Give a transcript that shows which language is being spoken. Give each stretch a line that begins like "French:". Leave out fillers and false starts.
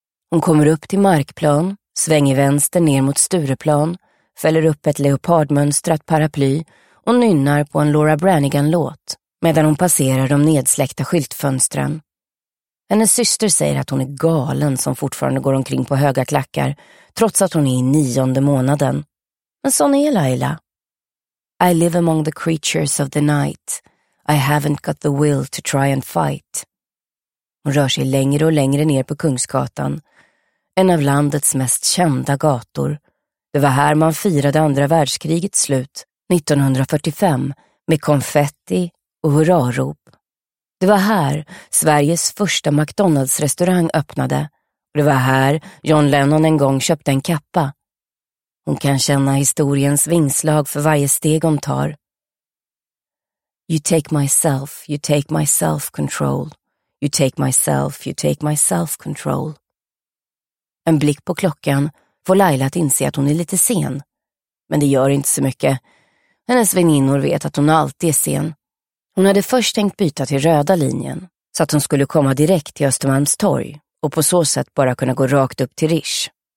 Swedish: Hon kommer upp till markplan, svänger vänster ner mot Stureplan, fäller upp ett leopardmönstrat paraply och nynnar på en Laura Branigan-låt medan hon passerar de nedsläckta skyltfönstren. Hennes syster säger att hon är galen som fortfarande går omkring på höga klackar, trots att hon är i 9:e månaden. Men sån är Laila.
English: I live among the creatures of the night. I haven't got the will to try and fight.
Swedish: Hon rör sig längre och längre ner på Kungsgatan, en av landets mest kända gator. Det var här man firade andra världskrigets slut, 1945, med konfetti och hurrarop. Det var här Sveriges första McDonald's-restaurang öppnade. Det var här John Lennon en gång köpte en kappa. Hon kan känna historiens vingslag för varje steg hon tar.
English: You take my self-control. You take my self-control.
Swedish: En blick på klockan får Laila att inse att hon är lite sen. Men det gör inte så mycket. Hennes väninnor vet att hon alltid är sen. Hon hade först tänkt byta till röda linjen så att hon skulle komma direkt till Östermalmstorg och på så sätt bara kunna gå rakt upp till Rish.